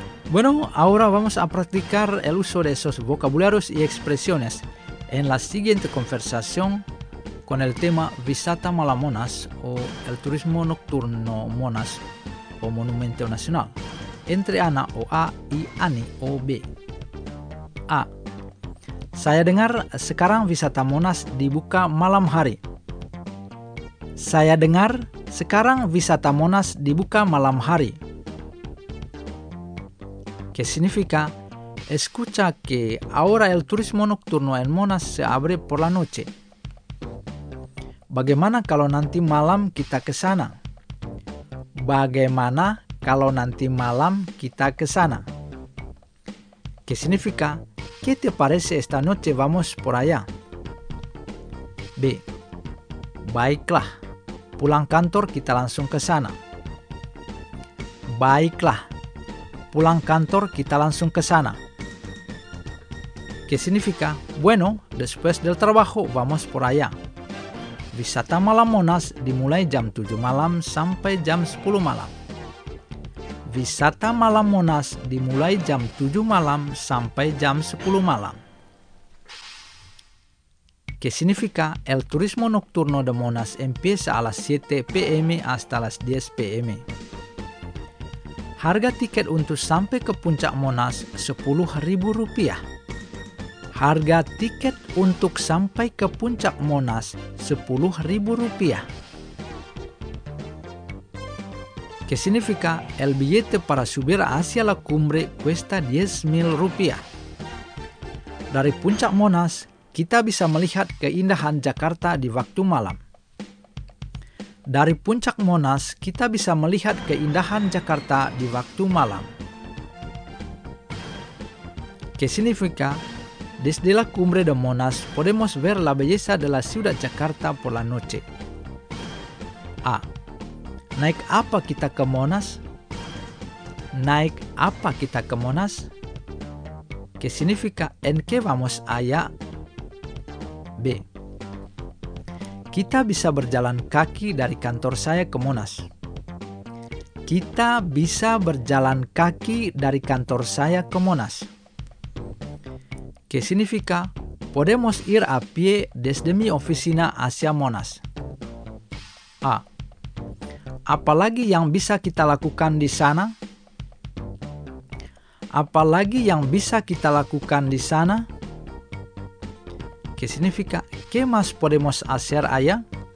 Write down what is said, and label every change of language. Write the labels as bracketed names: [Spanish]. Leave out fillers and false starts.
[Spanish] Bueno, ahora vamos a practicar el uso de esos vocabularios y expresiones en la siguiente conversación con el tema Wisata Malam Monas o el turismo nocturno Monas o Monumento Nacional. entre anak o A y Ani o B. A. [Indonesian] Saya dengar sekarang wisata Monas dibuka malam hari. Saya dengar sekarang wisata Monas dibuka malam hari. [Spanish] Que significa, escucha que ahora el turismo nocturno en Monas se abre por la noche. [Indonesian] Bagaimana kalau nanti malam kita ke sana? Bagaimana kalau nanti malam kita ke sana? [Spanish] Que significa, ¿qué te parece esta noche vamos por allá? B. [Indonesian] Baiklah, pulang kantor kita langsung ke sana. Baiklah, pulang kantor kita langsung ke sana. [Spanish] Que significa, bueno, después del trabajo vamos por allá. [Indonesian] Wisata malam Monas dimulai jam 7 malam sampai jam 10 malam. Wisata malam Monas dimulai jam 7 malam sampai jam 10 malam. [Spanish] Que significa el turismo nocturno de Monas empieza a las 7 pm hasta las 10 pm. [Indonesian] Harga tiket untuk sampai ke puncak Monas Rp10.000. Harga tiket untuk sampai ke puncak Monas Rp10.000. [Spanish] Que significa el billete para subir hacia la cumbre cuesta Rp10.000. [Indonesian] Dari puncak Monas, kita bisa melihat keindahan Jakarta di waktu malam. Dari puncak Monas, kita bisa melihat keindahan Jakarta di waktu malam. [Spanish] Que significa desde la cumbre de Monas podemos ver la belleza de la ciudad de Jakarta por la noche. [Indonesian] A. Naik apa kita ke Monas? Naik apa kita ke Monas? [Spanish] Que significa en qué vamos allá? B. [Indonesian] Kita bisa berjalan kaki dari kantor saya ke Monas. Kita bisa berjalan kaki dari kantor saya ke Monas. [Spanish] Que significa podemos ir a pie desde mi oficina hacia Monas. A. [Indonesian] Apalagi yang bisa kita lakukan di sana? Apalagi yang bisa kita lakukan di sana? [Spanish] Que significa qué más podemos hacer allá?